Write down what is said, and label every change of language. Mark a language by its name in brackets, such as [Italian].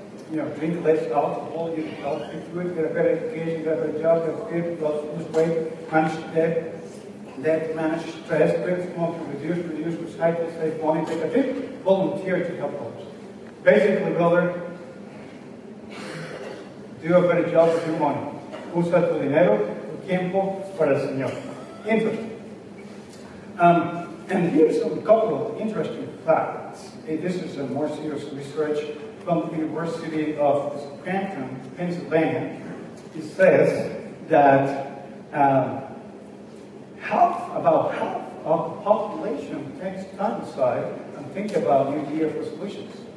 [English] You know, drink less alcohol, eat healthy food, get a better education, get a better job, get fit, lose weight, manage debt, manage stress, quit smoking, reduce, recycle, save money, take a trip, volunteer to help others. Basically, brother, do a better job with your money. [Spanish] Usa tu dinero, tu tiempo, para el Señor. [English] Interesting. And here's a couple of interesting facts. This is a more serious research from the University of Scranton, Pennsylvania. It says that about half of the population takes time aside and think about New Year's resolutions.